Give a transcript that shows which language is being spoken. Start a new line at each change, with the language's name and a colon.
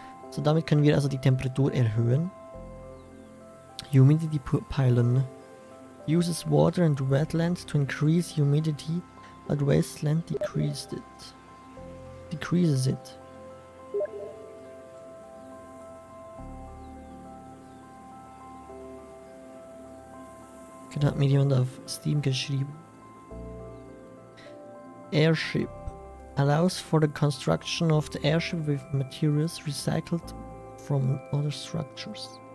German: So, damit können wir also die Temperatur erhöhen.
English: Humidity Pylon. Uses water and wetlands to increase humidity, but wasteland decreased it. Decreases it.
German: Okay, da hat mir jemand auf Steam geschrieben.
English: Airship. Allows for the construction of the airship with materials recycled from other structures.